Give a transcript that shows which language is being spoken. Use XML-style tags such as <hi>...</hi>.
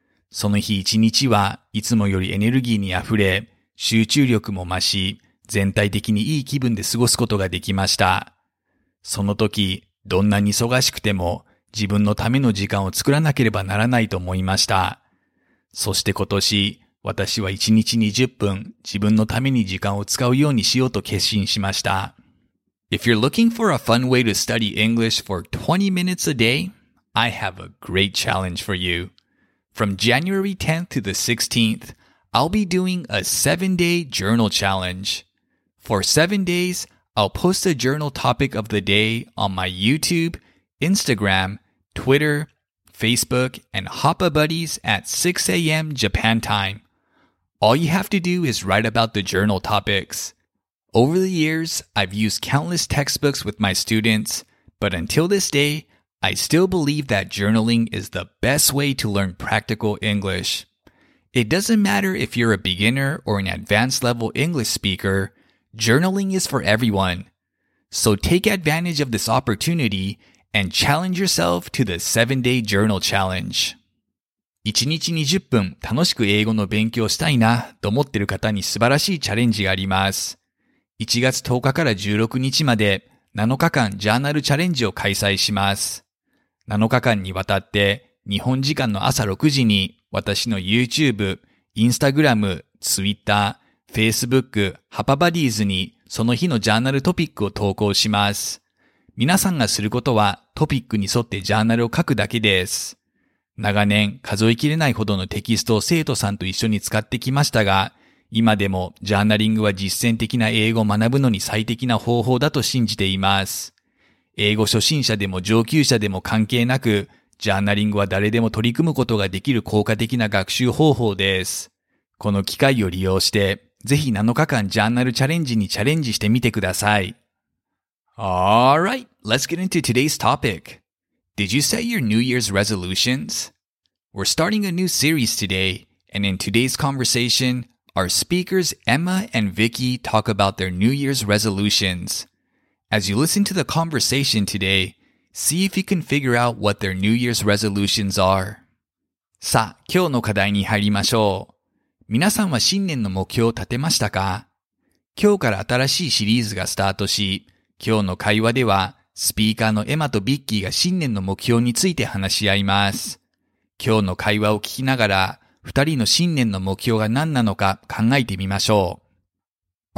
<ja>その日一日はいつもよりエネルギーにあふれ、集中力も増し、全体的にいい気分で過ごすことができました。その時、どんなに忙しくても自分のための時間を作らなければならないと思いました。そして今年、私は一日20分自分のために時間を使うようにしようと決心しました。</ja> <en>If you're looking for a fun way to study English for 20 minutes a day, I have a great challenge for you. From January 10th to the 16th, I'll be doing a 7-day journal challenge. For 7 days, I'll post a journal topic of the day on my YouTube, Instagram, Twitter, Facebook, and Hoppa Buddies at 6 a.m. Japan time. All you have to do is write about the journal topics. Over the years, I've used countless textbooks with my students, but until this day, I still believe that journaling is the best way to learn practical English. It doesn't matter if you're a beginner or an advanced level English speaker, journaling is for everyone. So take advantage of this opportunity and challenge yourself to the 7-day journal challenge.</en> <ja>1日20分楽しく英語の勉強したいなと思っている方に素晴らしいチャレンジがあります。 1月10日から16日まで7日間ジャーナルチャレンジを開催します。 7日間にわたって日本時間の朝6時に私の YouTube、Instagram、Twitter、Facebook、Hoppa Buddies にその日のジャーナルトピックを投稿します。皆さんがすることはトピックに沿ってジャーナルを書くだけです。長年数えきれないほどのテキストを生徒さんと一緒に使ってきましたが、今でもジャーナリングは実践的な英語を学ぶのに最適な方法だと信じています。英語初心者でも上級者でも関係なく、ジャーナリングは誰でも取り組むことができる効果的な学習方法です。この機会を利用して、ぜひ7日間ジャーナルチャレンジにチャレンジしてみてください。</ja> <en>Alright, let's get into today's topic. Did you set your New Year's resolutions? We're starting a new series today, and in today's conversation, our speakers Emma and Vicky talk about their New Year's resolutions. As you listen to the conversation today, see if you can figure out what their New Year's resolutions are.</en> <ja>さあ、今日の課題に入りましょう。皆さんは新年の目標を立てましたか？今日から新しいシリーズがスタートし、今日の会話では、スピーカーのエマとビッキーが新年の目標について話し合います。今日の会話を聞きながら、二人の新年の目標が何なのか考えてみましょう。</ja>